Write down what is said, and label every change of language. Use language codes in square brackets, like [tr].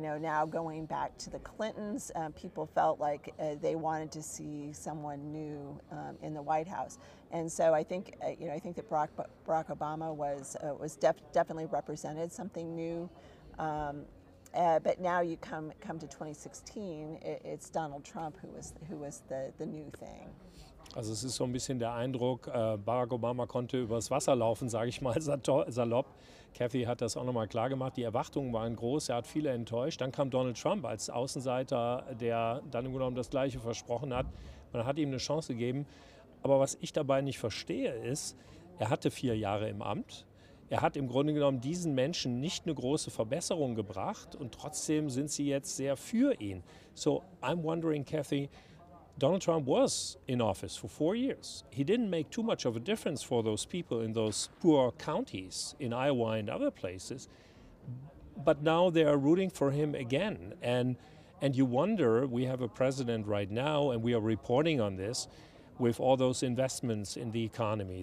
[en] Now going back to the Clintons, people felt like they wanted to see someone new in the White House. And so I think, I think that Barack Obama was definitely represented something new. But now you come to 2016, it's Donald Trump who was the new thing. [de] Also es ist so ein bisschen der Eindruck, Barack Obama konnte übers Wasser laufen, sage ich mal salopp. Kathie hat das auch nochmal klar gemacht. Die Erwartungen waren groß, er hat viele enttäuscht. Dann kam Donald Trump als Außenseiter, der dann im Grunde das Gleiche versprochen hat. Man hat ihm eine Chance gegeben. Aber was ich dabei nicht verstehe ist, Er hatte 4 Jahre im Amt. Er hat im Grunde genommen diesen Menschen nicht eine große Verbesserung gebracht und trotzdem sind sie jetzt sehr für ihn. [en] So I'm wondering, Kathie, Donald Trump was in office for 4 years. He didn't make too much of a difference for those people in those poor counties in Iowa and other places. But now they are rooting for him again. And you wonder, we have a president right now and we are reporting on this with all those investments in the economy.